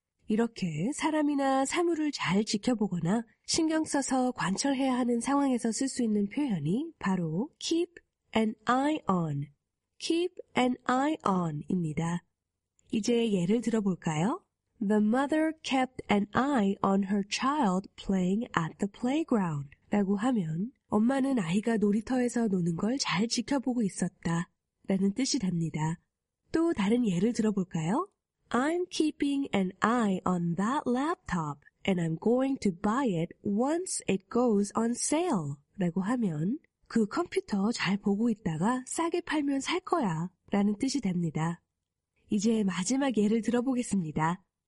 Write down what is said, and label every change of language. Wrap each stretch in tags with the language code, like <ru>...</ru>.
<ko>이렇게 사람이나 사물을 잘 지켜보거나 신경 써서 관찰해야 하는 상황에서 쓸 수 있는 표현이 바로 keep an eye on. Keep an eye on입니다. 이제 예를 들어볼까요?</ko> <en>The mother kept an eye on her child playing at the playground.</en> <ko>라고 하면 엄마는 아이가 놀이터에서 노는 걸 잘 지켜보고 있었다 라는 뜻이 됩니다. 또 다른 예를 들어볼까요?</ko> <en>I'm keeping an eye on that laptop and I'm going to buy it once it goes on sale.</en> <ko>라고 하면 그 컴퓨터 잘 보고 있다가 싸게 팔면 살 거야 라는 뜻이 됩니다. 이제 마지막 예를 들어보겠습니다.</ko>